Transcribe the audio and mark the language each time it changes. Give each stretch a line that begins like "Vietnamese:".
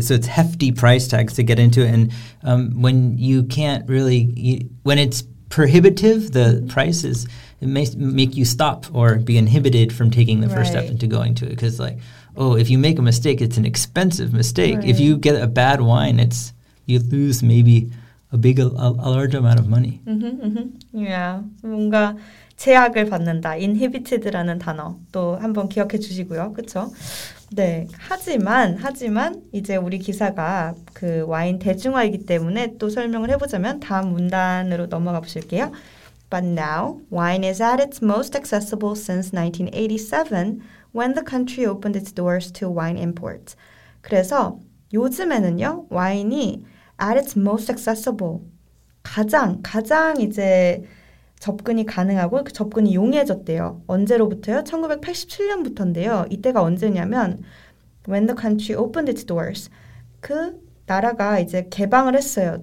English: So it's hefty price tags to get into it. And when you can't really, when it's prohibitive, the prices, it may make you stop or be inhibited from taking the first step into going to it. Because like, oh, if you make a mistake, it's an expensive mistake. Right. If you get a bad wine, it's you lose maybe a large amount of money. Yeah.
Korean: 뭔가 제약을 받는다. Inhibited라는 단어. 또 한번 기억해 주시고요. 그렇죠? 네. 하지만 이제 우리 기사가 그 와인 대중화이기 때문에 또 설명을 해보자면 다음 문단으로 넘어가 보실게요.
English: But now, wine is at its most accessible since 1987 when the country opened its doors to wine imports.
Korean: 그래서 요즘에는요, 와인이
English: at its most accessible.
Korean: 가장 이제 접근이 가능하고 접근이 용이해졌대요. 언제로부터요? 1987년부터인데요. 이때가 언제냐면
English: when the country opened its doors.
Korean: 그 나라가 이제 개방을 했어요.